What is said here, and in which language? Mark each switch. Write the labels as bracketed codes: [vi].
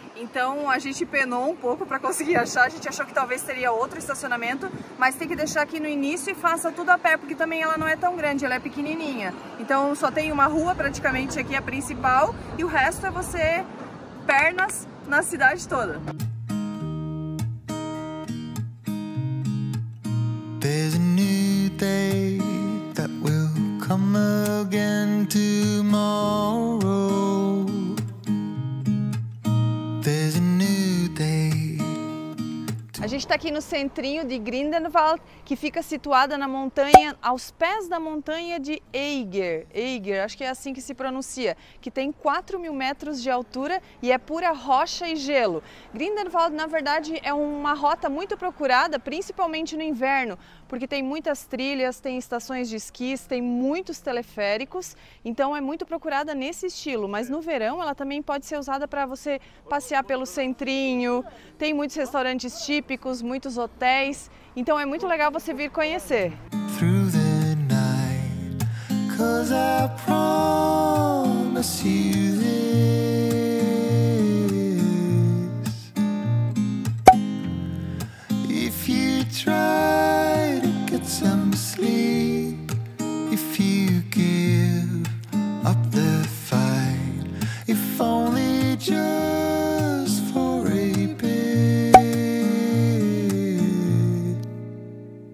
[pt] Então a gente penou um pouco para conseguir achar, a gente achou que talvez teria outro estacionamento, mas tem que deixar aqui no início e faça tudo a pé, porque também ela não é tão grande, ela é pequenininha. Então só tem uma rua praticamente aqui, a principal, e o resto é você pernas na cidade toda. [en] There's a new day that will come again tomorrow. There's a new day. [pt] A gente está aqui no centrinho de Grindelwald, que fica situada na montanha, aos pés da montanha de Eiger. Eiger, acho que é assim que se pronuncia, que tem 4 mil metros de altura e é pura rocha e gelo. Grindelwald, na verdade, é uma rota muito procurada, principalmente no inverno, porque tem muitas trilhas, tem estações de esquis, tem muitos teleféricos, então é muito procurada nesse estilo. Mas no verão ela também pode ser usada para você passear pelo centrinho, tem muitos restaurantes típicos, muitos hotéis, então é muito legal você vir conhecer. [en] Through the night, 'cause I promise you this. If you try to get some sleep, if you give up the fight, if only just for a bit.